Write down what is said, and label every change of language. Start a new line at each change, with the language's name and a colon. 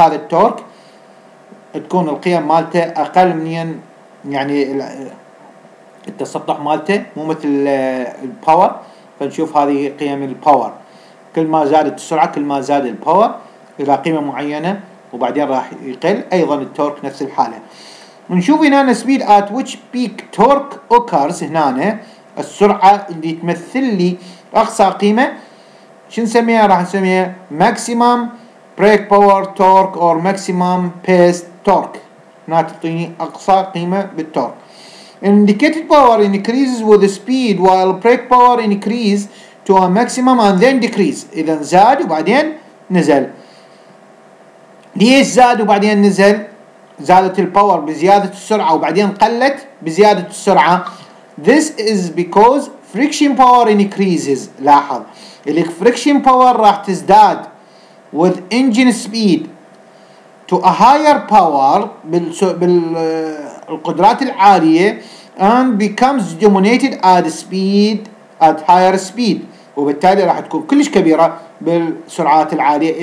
Arabic: هذا التورك تكون القيم مالته اقل من يعني التسطح مالته مو مثل الباور. فنشوف هذه قيم الباور كل ما زادت السرعة كل ما زاد الباور الى قيمة معينة وبعدين راح يقل. ايضا التورك نفس الحالة. نشوف هنا
English: speed at which peak torque occurs.
Arabic: هنا السرعة اللي تمثل لي أقصى قيمة شنسميها راح نسميها
English: maximum brake power torque or maximum pace torque.
Arabic: هنا تعطيني أقصى قيمة بالتورك.
English: indicated power increases with speed while brake power increases to a maximum and then decrease.
Arabic: إذا زاد وبعدين نزل. ليش زاد وبعدين نزل؟ زادت الباور بزيادة السرعة وبعدين قلت بزيادة السرعة.
English: This is because friction power increases.
Arabic: لاحظ اللي
English: friction power
Arabic: راح تزداد
English: with engine speed to a higher power
Arabic: بالقدرات العالية
English: and becomes dominated at speed at higher speed
Arabic: وبالتالي راح تكون كلش كبيرة بالسرعات العالية.